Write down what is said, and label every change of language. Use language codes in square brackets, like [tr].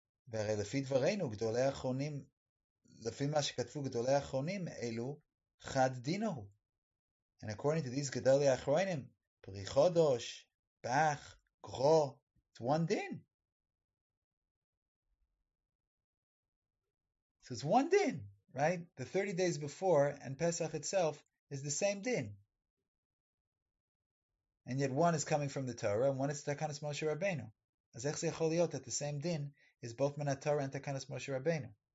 [he] והרי לפי דברינו, גדולי האחרונים, לפי מה שכתבו גדולי האחרונים, אלו חד דינהו. [en] And according to these גדולי האחרונים, פרי חודש, פח, גרו, it's one din. So it's one din, right? The 30 days before and Pesach itself is the same din. And yet one is coming from the Torah and one is Takanas Moshe Rabbeinu. [he] אז איך זה יכול להיות [en] that the same din is both [he] מן התורה and תקנת משה רבנו?